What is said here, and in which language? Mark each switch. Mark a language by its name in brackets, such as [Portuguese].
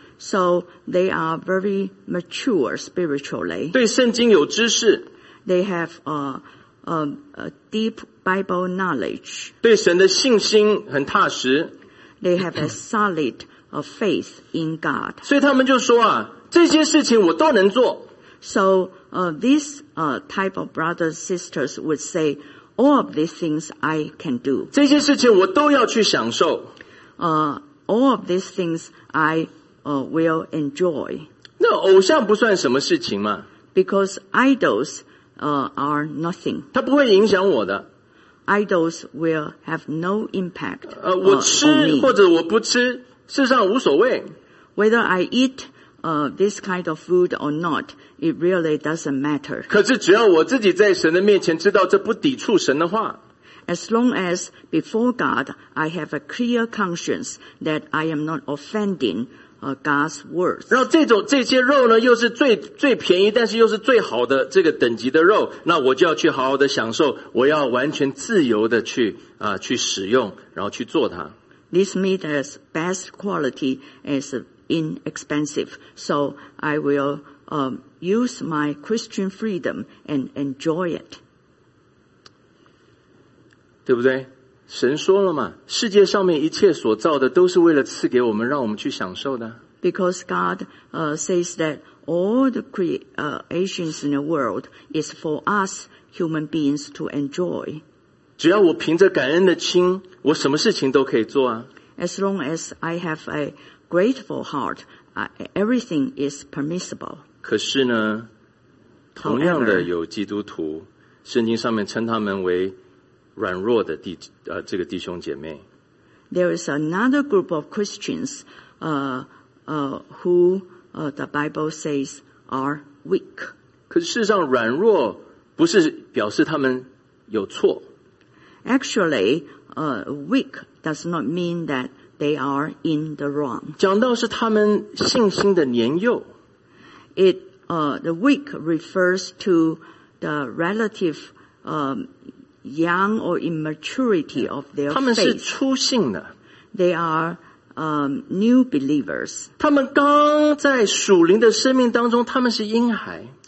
[English] So they are very mature spiritually. [Chinese] 对圣经有知识。 [English] They have a deep Bible knowledge. [Chinese] 对神的信心很踏实。 [English] They have a solid faith in God. [Chinese] 所以他们就说啊，这些事情我都能做。 [English] So, this type of brothers and sisters would say, all of these things I can do. [Chinese] 这些事情我都要去享受。 [English] All of these things I will enjoy. [Chinese] 那偶像不算什么事情吗？ [English] Because idols are nothing. [Chinese] 它不会影响我的。 [English] Idols will have no impact. [Chinese] 我吃或者我不吃，事实上无所谓。 [English] Whether I eat this kind of food or not, it really doesn't matter. [Chinese] 可是只要我自己在神的面前知道这不抵触神的话。 [English] As long as before God, I have a clear conscience that I am not offending God's words. [Chinese] 然后这些肉呢，又是最便宜，但是又是最好的这个等级的肉，那我就要去好好的享受，我要完全自由的去使用，然后去做它。 [English] This meat has best quality as inexpensive, so I will use my Christian freedom and enjoy it. [Chinese] 对不对？神说了嘛，世界上面一切所造的都是为了赐给我们，让我们去享受的。 [English] Because God says that all the creations in the world is for us human beings to enjoy. [Chinese] 只要我凭着感恩的心，我什么事情都可以做啊。 [English] As long as I have a grateful heart, everything is permissible. [Chinese] 可是呢，同样的有基督徒，圣经上面称他们为软弱的弟，这个弟兄姐妹。 [English] There is another group of Christians, who the Bible says are weak. [Chinese] 可是事实上，软弱不是表示他们有错。 [English] Actually, weak does not mean that they are in the wrong. [Chinese] 讲到是他们信心的年幼。 [English] The weak refers to the relative, young or immaturity of their faith. [Chinese] 他们是初信的。 [English] They are, new believers. [Chinese] 他们刚在属灵的生命当中，他们是婴孩。